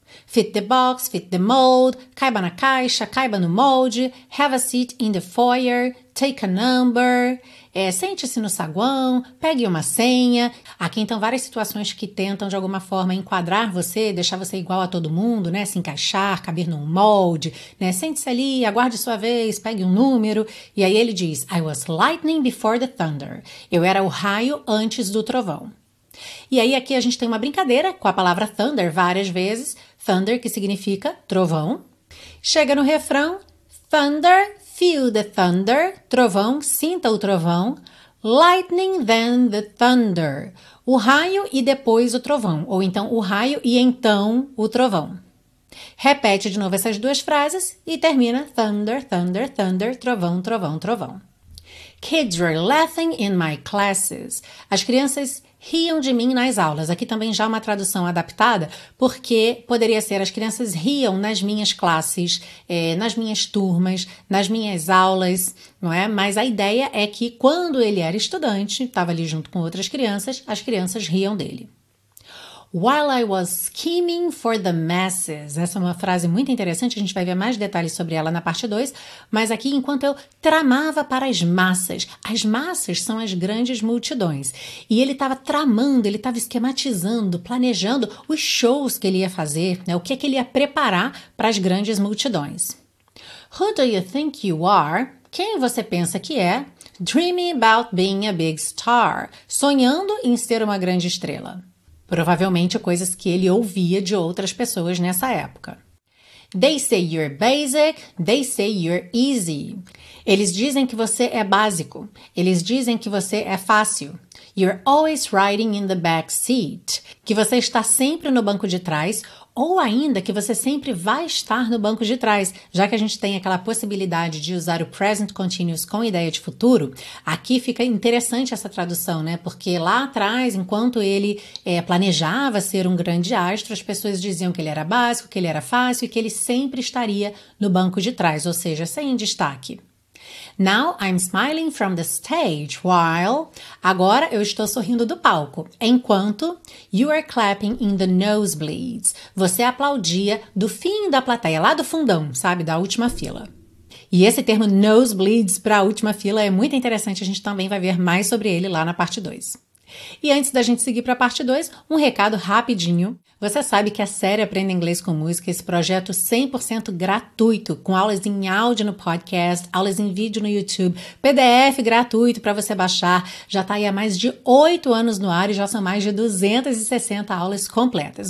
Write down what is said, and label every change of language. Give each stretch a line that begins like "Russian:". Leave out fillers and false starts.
English: Fit the box, fit the mold,
Portuguese: caiba na caixa, caiba no molde,
English: have a seat in the foyer, take a number,
Portuguese: sente-se no saguão, pegue uma senha. Aqui, então, várias situações que tentam, de alguma forma, enquadrar você, deixar você igual a todo mundo, né? Se encaixar, caber num molde, né? Sente-se ali, aguarde sua vez, pegue um número. E aí ele diz,
English: I was lightning before the thunder.
Portuguese: Eu era o raio antes do trovão. E aí, aqui, a gente tem uma brincadeira com a palavra thunder várias vezes. Thunder, que significa trovão. Chega no refrão, thunder,
English: feel the thunder,
Portuguese: trovão, sinta o trovão,
English: lightning then the thunder,
Portuguese: o raio e depois o trovão, ou então o raio e então o trovão. Repete de novo essas duas frases e termina thunder, thunder, thunder, trovão, trovão, trovão.
English: Kids were laughing in my classes.
Portuguese: As crianças riam de mim nas aulas. Aqui também já uma tradução adaptada, porque poderia ser as crianças riam nas minhas classes, nas minhas turmas, nas minhas aulas, não é? Mas a ideia é que quando ele era estudante, estava ali junto com outras crianças, as crianças riam dele.
English: While I was scheming for the masses.
Portuguese: Essa é uma frase muito interessante, a gente vai ver mais detalhes sobre ela na parte 2, mas aqui enquanto eu tramava para as massas. As massas são as grandes multidões. E ele estava tramando, ele estava esquematizando, planejando os shows que ele ia fazer, né? O que é que ele ia preparar para as grandes multidões.
English: Who do you think you are?
Portuguese: Quem você pensa que é?
English: Dreaming about being a big star.
Portuguese: Sonhando em ser uma grande estrela. Provavelmente coisas que ele ouvia de outras pessoas nessa época.
English: They say you're basic, they say you're easy.
Portuguese: Eles dizem que você é básico, eles dizem que você é fácil.
English: You're always riding in the back seat.
Portuguese: Que você está sempre no banco de trás, ou ainda que você sempre vai estar no banco de trás, já que a gente tem aquela possibilidade de usar o present continuous com ideia de futuro. Aqui fica interessante essa tradução, né? Porque lá atrás, enquanto ele planejava ser um grande astro, as pessoas diziam que ele era básico, que ele era fácil e que ele sempre estaria no banco de trás, ou seja, sem destaque.
English: Now I'm smiling from the stage, while...
Portuguese: Agora eu estou sorrindo do palco, enquanto...
English: You are clapping in the nosebleeds.
Portuguese: Você aplaudia do fim da plateia, lá do fundão, sabe? Da última fila. E esse termo nosebleeds para a última fila é muito interessante. A gente também vai ver mais sobre ele lá na parte 2. E antes da gente seguir para a parte 2, um recado rapidinho. Você sabe que a série Aprenda Inglês com Música, esse projeto 100% gratuito, com aulas em áudio no podcast, aulas em vídeo no YouTube, PDF gratuito para você baixar, já está aí há mais de 8 anos no ar e já são mais de 260 aulas completas.